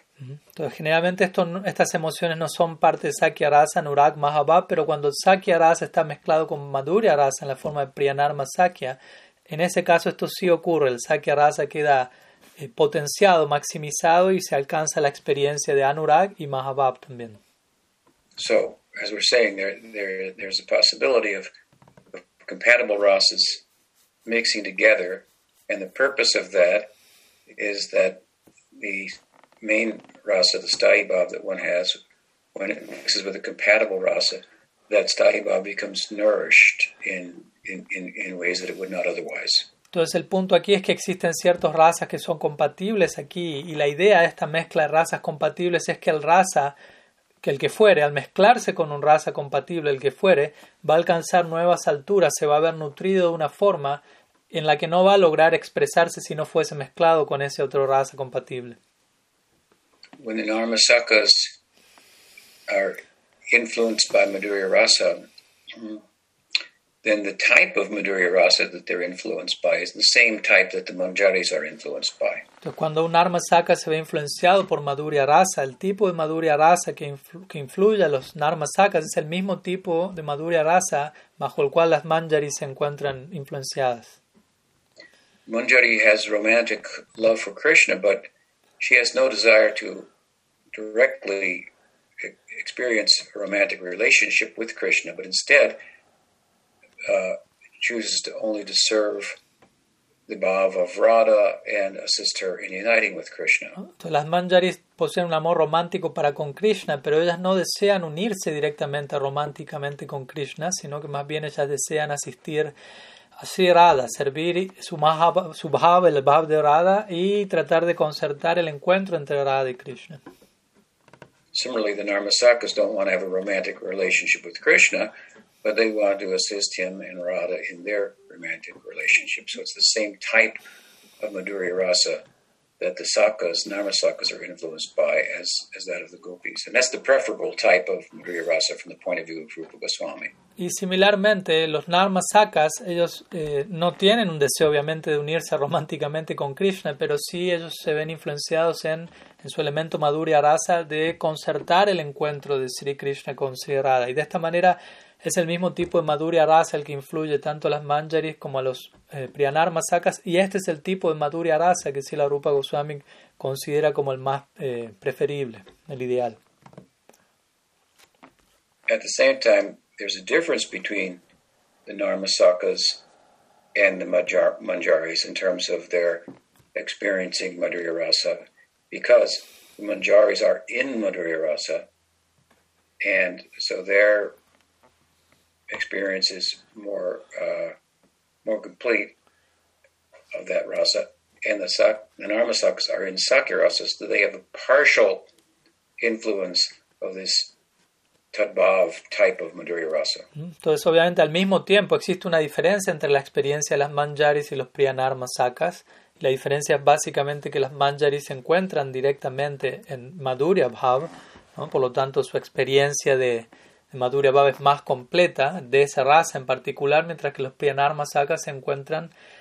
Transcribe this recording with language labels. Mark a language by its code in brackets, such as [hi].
[es] Entonces, generalmente estas emociones no son parte de Sakya Rasa, Anurag, Mahabhav, pero cuando Sakya Rasa está mezclado con Madhurya Rasa en la forma de Priyanarma Sakya, en ese caso esto sí ocurre, el Sakya Rasa queda potenciado, maximizado y se alcanza la experiencia de Anurag y Mahabhav también. [en] So, as we're saying, there's a possibility of compatible rasas mixing together, and the purpose of that is that the main rasa, the sthayi bhava that one has, when it mixes with a compatible rasa, that sthayi bhava becomes nourished in ways that it would not otherwise. [es] Entonces el punto aquí es que existen ciertos rasas que son compatibles aquí, y la idea de esta mezcla de razas compatibles es que el rasa, que el que fuere, al mezclarse con un rasa compatible, el que fuere, va a alcanzar nuevas alturas, se va a ver nutrido de una forma en la que no va a lograr expresarse si no fuese mezclado con ese otro rasa compatible. [en] When the Narmasakas are influenced by Madhurya Rasa, then the type of Madhurya Rasa that they're influenced by is the same type that the Manjaris are influenced by. [es] Entonces, cuando un Narmasaka se ve influenciado por Madhurya Rasa, el tipo de Madhurya Rasa que influye a los Narmasakas es el mismo tipo de Madhurya Rasa bajo el cual las Manjaris se encuentran influenciadas. [en] Manjari has romantic love for Krishna, but she has no desire to directly experience a romantic relationship with Krishna, but instead chooses to only to serve the bhava of Radha and assist her in uniting with Krishna. [es] Entonces, las manjaris poseen un amor romántico para con Krishna, pero ellas no desean unirse directamente románticamente con Krishna, sino que más bien ellas desean asistir así Radha, servir su bhava, el bhava de Radha, y tratar de concertar el encuentro entre Radha y Krishna. [en] Similarly, the Narmasakas don't want to have a romantic relationship with Krishna, but they want to assist him and Radha in their romantic relationship. So it's the same type of Madhurya Rasa that the Sakas, Narmasakas, are influenced by as that of the Gopis. And that's the preferable type of Madhurya Rasa from the point of view of Rupa Goswami. [es] Y similarmente, los Narmasakas, ellos no tienen un deseo, obviamente, de unirse románticamente con Krishna, pero sí ellos se ven influenciados en su elemento Madhurya Rasa de concertar el encuentro de Sri Krishna con Sri Radha. Y de esta manera, es el mismo tipo de Madhurya Rasa el que influye tanto a las Manjaris como a los Priyanarmasakas, y este es el tipo de Madhurya Rasa que Srila Rupa Goswami considera como el más preferible, el ideal. [en] At the same time, there's a difference between the Narmasakas and the Manjaris in terms of their experiencing Madhurya Rasa, because the Manjaris are in Madhurya Rasa, and so their experience is more complete of that rasa, and the Narmasakas are in Sakya Rasa, so they have a partial influence of this Tadbhav type of Madhurya Rasa. [es] Entonces, obviamente, al mismo tiempo, existe una diferencia entre la experiencia de las Manjaris y los Priyanarmasakas. La diferencia es básicamente que las Manjaris se encuentran directamente en Madhurya Bhav, ¿no? Por lo tanto, su experiencia de Madhurya Bhav es más completa, de esa raza en particular, mientras que los Priyanarmasakas se encuentran